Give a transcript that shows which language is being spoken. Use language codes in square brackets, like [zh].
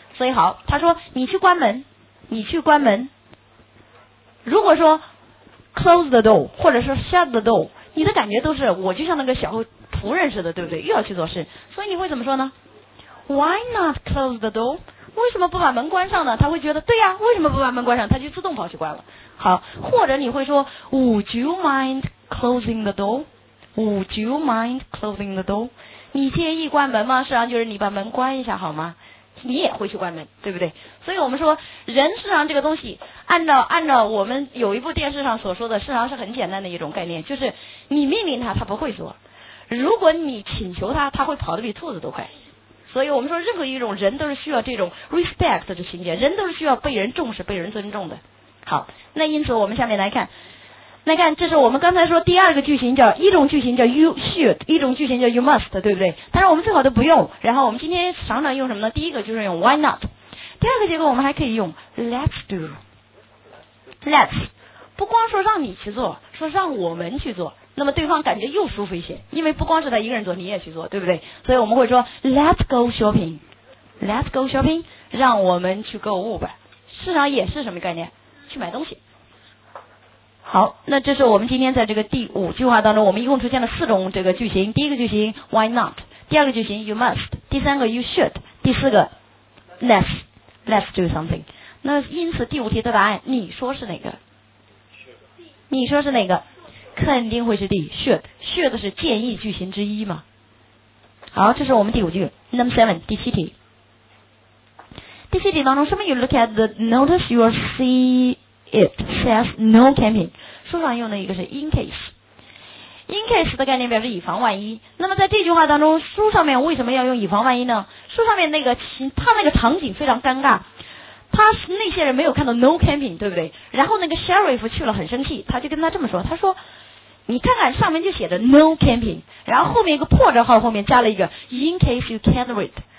[zh] 所以好，他说你去关门，你去关门。如果说 close the door, 或者说 shut the door, 你的感觉都是我就像那个小仆人似的，对不对？又要去做事。所以你会怎么说呢？ Why not close the door? 为什么不把门关上呢？他会觉得对呀，为什么不把门关上，他就自动跑去关了。 [en] 好，或者你会说 Would you mind closing the door? Would you mind closing the door? [zh] 你介意关门吗？实际上就是你把门关一下好吗，你也会去关门，对不对？所以我们说人事实上这个东西按照我们有一部电视上所说的，事实上是很简单的一种概念，就是你命令他他不会做，如果你请求他他会跑得比兔子都快。所以我们说任何一种人都是需要这种 respect 的情节，人都是需要被人重视被人尊重的。好，那因此我们下面来看这是我们刚才说第二个句型，叫一种句型叫 you should, 一种句型叫 you must, 对不对？但是我们最好都不用。然后我们今天常常用什么呢？第一个就是用 why not, 第二个结构我们还可以用 let's do, let's 不光说让你去做，说让我们去做，那么对方感觉又舒服一些，因为不光是他一个人做你也去做，对不对？所以我们会说 let's go shopping, let's go shopping, 让我们去购物吧。市场也是什么概念？去买东西。好，那这是我们今天在这个第五句话当中，我们一共出现了四种这个句型。第一个句型 why not, 第二个句型 you must, 第三个 you should, 第四个 let's do something。那因此第五题的答案你说是哪个？你说是哪个？肯定会是 D, should, should 是建议句型之一嘛。好，这是我们第五句 number seven, 第七题。第七题当中 some of you look at the notice you will seeIt says no camping, 书上用的一个是 in case, in case 的概念表示以防万一。那么在这句话当中，书上面为什么要用以防万一呢？书上面那个他那个场景非常尴尬，他那些人没有看到 no camping, 对不对？然后那个 sheriff 去了很生气，他就跟他这么说，他说你看看上面就写着 no camping, 然后后面一个破折号后面加了一个 in case you can't read,